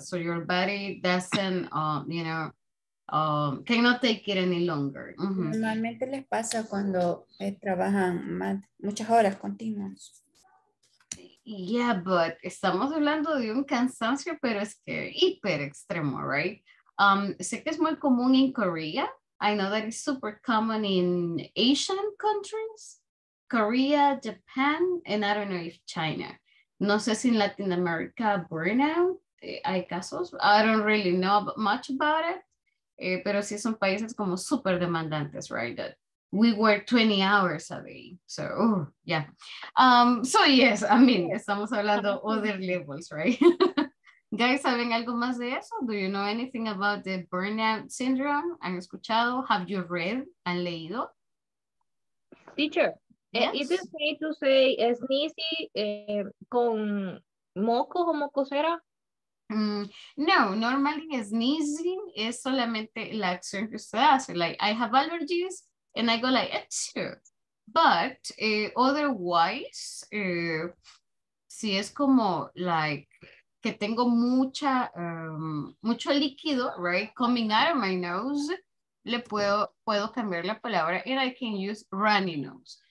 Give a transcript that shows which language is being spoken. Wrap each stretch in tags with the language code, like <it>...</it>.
<en>So your body doesn't, cannot take it any longer. Uh-huh.</en> <es>Normalmente les pasa cuando trabajan muchas horas continuas.</es> <en>Yeah, but</en> <es>estamos hablando de un cansancio, pero es que hiper extremo, right? Sé que es muy común en Corea.</es> <en>I know that it's super common in Asian countries, Korea, Japan, and I don't know if China.</en> <es>No sé si en Latin America burnout, hay casos.</es> <en>I don't really know much about it.</en> <es>Pero sí son países como super demandantes,</es> <en>right? That we work 20 hours a day. So, yes, I mean,</en> <es>estamos hablando</es> <en>other levels, right? Guys,</en> <es>¿saben algo más de eso?</es> <en>Do you know anything about the burnout syndrome?</en> <es>¿Han escuchado?</es> <en>¿Have you read?</en> <es>¿Han leído?</es> <en>Teacher. Yes. Is it safe to say sneezy</en> <es>con moco o mocosera? No,</es> <en>normally sneezing is</en> <es>solamente la acción que usted hace.</es> <en>Like, I have allergies and I go like, achoo. But otherwise,</en> <es>si es como</es> <en>like</en> <es>que tengo mucha mucho líquido,</es> <en>right, coming out of my nose,</en> <es>le puedo cambiar la palabra</es> <en>and I can use runny nose.</en>